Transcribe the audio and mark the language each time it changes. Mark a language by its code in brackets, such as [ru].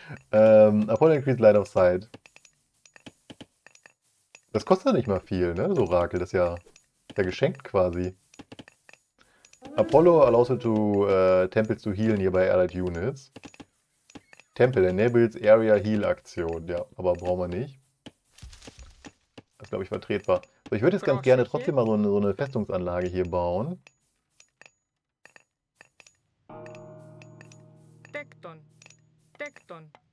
[en] Apollo Increased Line of Sight. [de] Das kostet nicht mal viel, ne? Das Orakel, das ist ja geschenkt quasi. [en] Apollo allows you to temples to heal nearby allied units. Temple enables area heal Aktion. [de] Ja, aber brauchen wir nicht. Das ist, glaube ich, vertretbar. So, ich würde jetzt ganz gerne trotzdem mal so eine Festungsanlage hier bauen. Tekton.